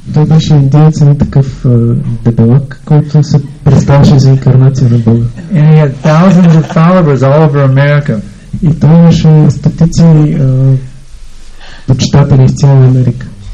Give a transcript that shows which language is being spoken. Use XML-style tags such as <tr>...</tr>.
<bg>Той беше индиец, не такъв дебелък, който се представяше за инкарнация на Бога.</bg> <en>And he had thousands of followers all over America.</en> <bg>И той имаше стотици почитатели в цяла Америка.</bg>